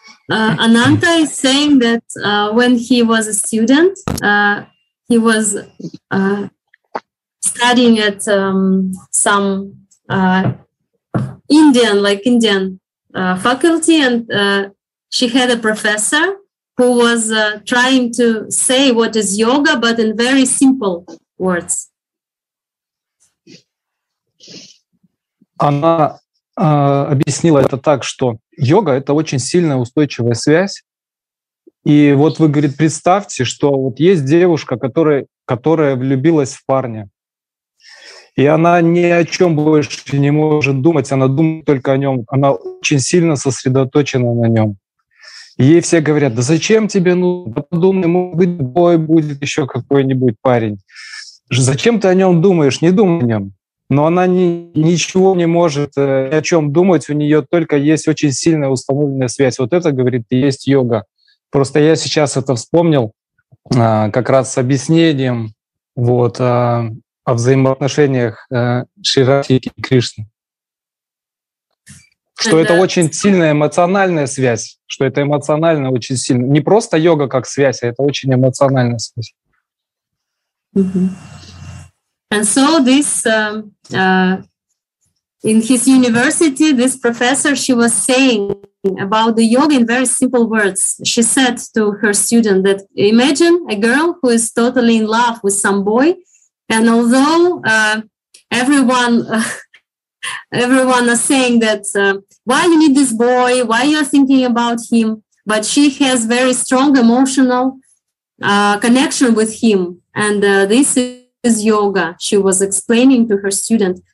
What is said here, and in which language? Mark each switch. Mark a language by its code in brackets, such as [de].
[en] Ananta is saying that when he was a student, he was studying at some Indian faculty, and she had a professor who was trying to say what is yoga, but in very simple words. [ru] Она объяснила это так, что йога — это очень сильная устойчивая связь. И вот вы, говорит, представьте, что вот есть девушка, которая влюбилась в парня. И она ни о чем больше не может думать, она думает только о нем. Она очень сильно сосредоточена на нем. Ей все говорят: да зачем тебе, ну, подумай, может быть, бой будет еще какой-нибудь парень. Зачем ты о нем думаешь? Не думай о нем. Но она ничего не может ни о чем думать, у нее только есть очень сильная установленная связь. Вот это, говорит, и есть йога. Просто я сейчас это вспомнил как раз с объяснением вот, о взаимоотношениях Шри Радхики и Кришны. Что это очень сильная эмоциональная связь, что это эмоционально очень сильно. Не просто йога как связь, а это очень эмоциональная связь. [en] And so this, in his university, this professor, she was saying about the yoga in very simple words. She said to her student that imagine a girl who is totally in love with some boy, and although everyone is saying that, why you need this boy, why you are thinking about him, but she has very strong emotional connection with him, and this is yoga, she was explaining to her student.